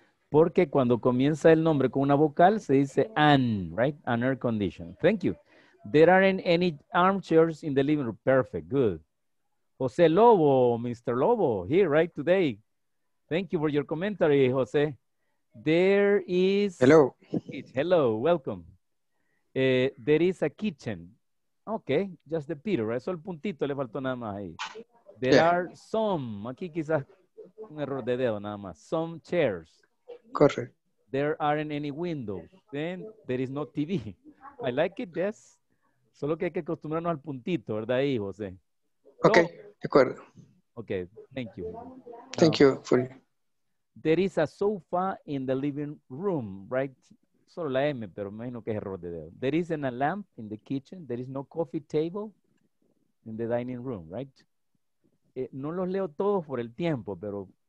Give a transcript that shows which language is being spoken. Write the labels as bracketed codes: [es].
[es] Porque cuando comienza el nombre con una vocal, se dice an, right? [en] An air conditioner. Thank you. There aren't any armchairs in the living room. Perfect. Good. Jose Lobo, Mr. Lobo, here, right, today. Thank you for your commentary, Jose. There is... Hello. Hello, welcome. There is a kitchen. Okay, just the pito, right? [es] Solo el puntito le faltó nada más ahí. [en] There yeah. are some, [es] aquí quizás un error de dedo nada más, [en] some chairs. Correct. There aren't any windows. Then there is no TV. I like it, yes. [es] Solo que hay que acostumbrarnos al puntito, ¿verdad ahí, Jose? Ok, de acuerdo. [en] Ok, thank you. Thank you. For... There is a sofa in the living room, right? [es] Solo la M, pero me imagino que es error de dedo. [en] There is a lamp in the kitchen. There is no coffee table in the dining room, right? [es] No los leo todos por el tiempo, pero...